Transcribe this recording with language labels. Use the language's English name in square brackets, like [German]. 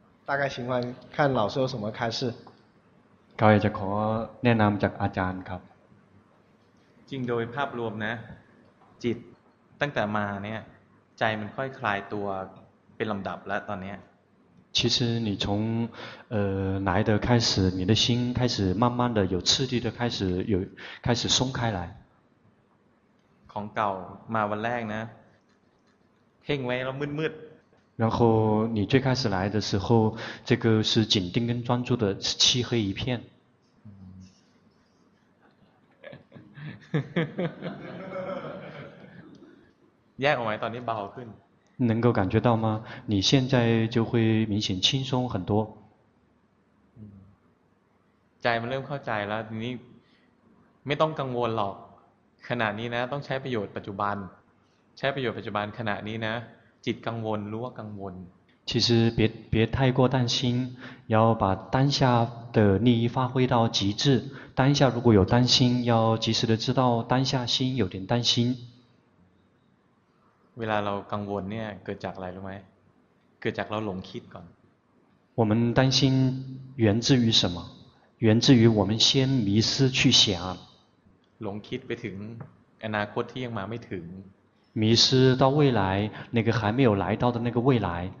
[Chinese] 大概情况看老师有什么开示 [Thai] เขาอยากจะขอแนะนำจากอาจารย์ครับ จริงโดยภาพรวมนะจิตตั้งแต่มาเนี่ยใจมันค่อยคลายตัวเป็นลำดับแล้วตอนนี้ [Chinese] 其实你从来的开始你的心开始慢慢的有刺激的开始松开来 [Thai] ของเก่ามาวันแรกนะเพ่งไว้แล้วมืด [Chinese] ๆ然后你最开始来的时候这个是紧盯跟专注的是漆黑一片 [Thai] แยกออกไหมตอนนี้เบาขึ้น [Chinese] 能够感觉到吗？你现在就会明显轻松很多。 [Thai] ใจมันเริ่มเข้าใจแล้วทีนี้ไม่ต้องกังวลหรอกขณะนี้นะต้องใช้ประโยชน์ปัจจุบันใช้ประโยชน์ปัจจุบันขณะนี้นะจิตกังวลรู้ว่ากังวล [Chinese] 其实别太过担心要把当下的利益发挥到极致当下如果有担心要及时的知道当下心有点担心 [Thai] เวลาเรากังวลเนี่ยเกิดจากอะไรรู้ไหมเกิดจากเราหลงคิดก่อน [Chinese] 我们担心源自于什么源自于我们先迷失去想 [Thai] หลงคิดไปถึงอนาคตที่ยังมาไม่ถึง [Chinese] 迷失到未来那个还没有来到的那个未来